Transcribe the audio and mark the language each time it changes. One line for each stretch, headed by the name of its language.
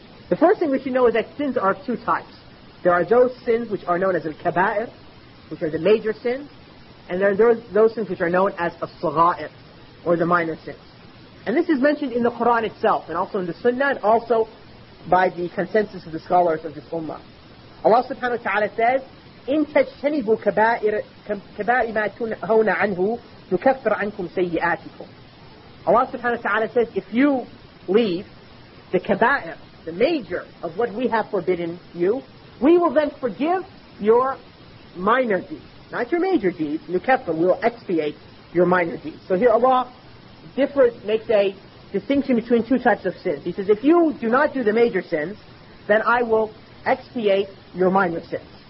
English: The first thing we should know is that sins are of two types. There are those sins which are known as al-kaba'ir, which are the major sins, and there are those sins which are known as al-sagha'ir, or the minor sins. And this is mentioned in the Quran itself, and also in the Sunnah, and also by the consensus of the scholars of this ummah. Allah subhanahu wa ta'ala says,
Arabic: إِن تَجْتَنِبُوا كَبَائِرَ مَا تُنْهَوْنَ عَنْهُ نُكَفِّرْ عَنْكُمْ سَيِّئَاتِكُمْ.
English: Allah
Arabic: subhanahu wa ta'ala
English: says, if you leave the kaba'ir, the major of what we have forbidden you, we will then forgive your minor deeds. Not your major deeds, نُكَفِّرْ, we will expiate your minor deeds. So here Allah makes a distinction between two types of sins. He says, if you do not do the major sins, then I will expiate your minor sins.